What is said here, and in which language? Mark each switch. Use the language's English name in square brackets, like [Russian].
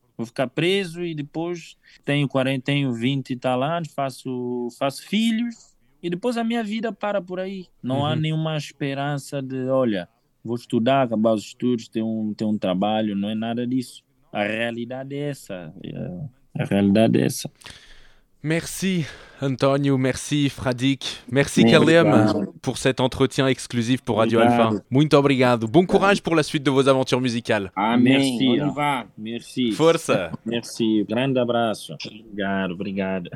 [Portuguese] Vou ficar preso e depois tenho 40, tenho 20 e tal anos, faço filhos e depois a minha vida para por aí. Não há nenhuma esperança de, olha, vou estudar, acabar os estudos, ter um trabalho, não é nada disso. A realidade é essa. [French] Merci António, merci Fradik, merci Kalem pour cet entretien exclusif pour Radio Alpha. [Portuguese] Muito obrigado. [French] Bon courage pour la suite de vos aventures musicales. Merci. On y va. Merci. [Portuguese] Força. [French] Merci. [Portuguese] Grande abraço. Obrigado.